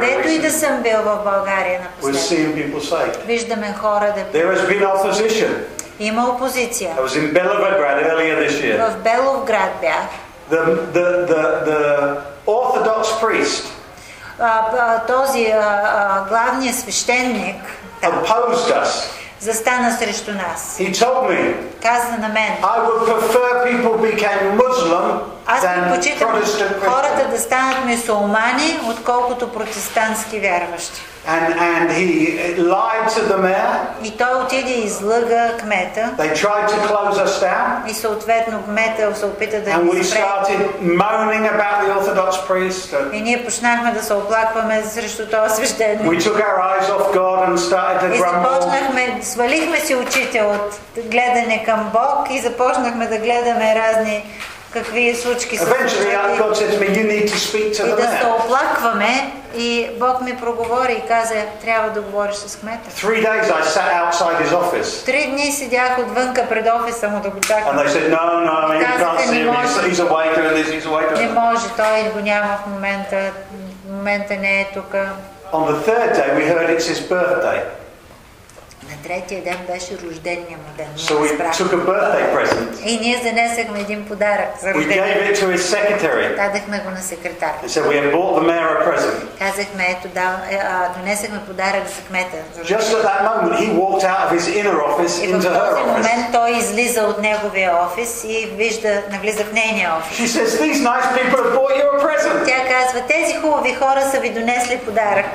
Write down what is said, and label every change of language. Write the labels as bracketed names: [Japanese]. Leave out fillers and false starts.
[Bulgarian] Където и да съм бил в България напоследък. [English] We're seeing people saved. [Bulgarian] Виждаме хора да. [English] There has been opposition. [Bulgarian] Има опозиция. [English] I was in Belgrade earlier this year. [Bulgarian] В Белоград бях. [English] The Orthodox priest. [Bulgarian] Този главният свещеник. [English] Opposed us. [Bulgarian] Застана срещу нас. [English] He told me. [Bulgarian] Каза на мен. [English] I would prefer people became Muslim than Protestant Christian. [Bulgarian] Хората да станат мюсюлмани, отколкото протестантски вярващи. [English] And he lied to the mayor. [Bulgarian] И той отиде и излъга кмета. [English] They tried to close us down. [Bulgarian] И съответно кмета се опита да ни спре. [English] And we started moaning about the Orthodox priest. [Bulgarian] И ние почнахме да се оплакваме срещу този свещеник. [English] We took our eyes off God and started to grumble. [Bulgarian] И започнахме, свалихме си очите от гледане към Бог и започнахме да гледаме разни какви случки са. [English] Eventually, God said to me, "You need to speak to the mayor." [Bulgarian] И да се оплакваме. И Бог ми проговори и каза, трябва да говориш с кмета. [English] 3 days I sat outside his office. [Bulgarian] 3 дни седях отвънка пред офиса му да го чакам. [English] And they said, no, no, you can't see him. He's a waiter and he's a waiter. [Bulgarian] Не може, той го няма в момента. В момента не е тук. [English] On the third day we heard it's his birthday. [Bulgarian] На третия ден беше рождения му ден. [English] So we took a birthday present. [Bulgarian] И ние занесахме един подарък за рождение. [English] We gave it to his secretary. [Bulgarian] Дадахме го на секретар. [English] And said, we have bought the mayor a present. [Bulgarian] Казахме, ето, донесахме подарък за кмета. [English] Just at that moment he walked out of his inner office into her office. [Bulgarian] В този момент той излиза от неговия офис и вижда, навлиза в нейния офис. [English] She says, these nice people have bought you a present. [Bulgarian] Тя казва, тези хубави хора са ви донесли подарък.